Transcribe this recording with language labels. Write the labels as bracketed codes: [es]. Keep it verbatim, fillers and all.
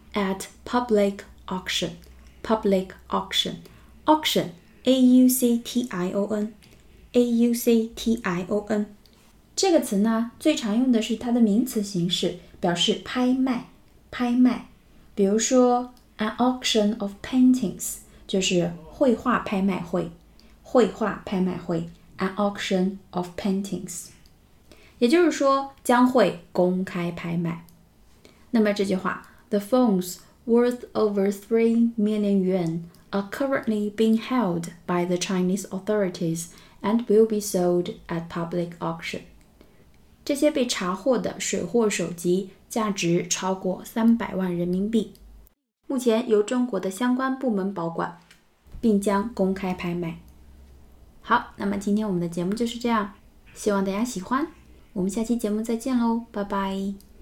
[en] At public auction public auction [zh] auction A-U-C-T-I-O-N A-U-C-T-I-O-N 这个词呢最常用的是它的名词形式，表示拍卖拍卖。比如说 [en] An auction of paintings [zh] 就是绘画拍卖会，绘画拍卖会 An auction of paintings 也就是说将会公开拍卖。 [en] 那么这句话 The phones worth over three million yuan are currently being held by the Chinese authorities and will be sold at public auction [zh] 这些被查获的水货手机价值超过三百万人民币，目前由中国的相关部门保管，并将公开拍卖。好，那么今天我们的节目就是这样，希望大家喜欢，我们下期节目再见喽，拜拜。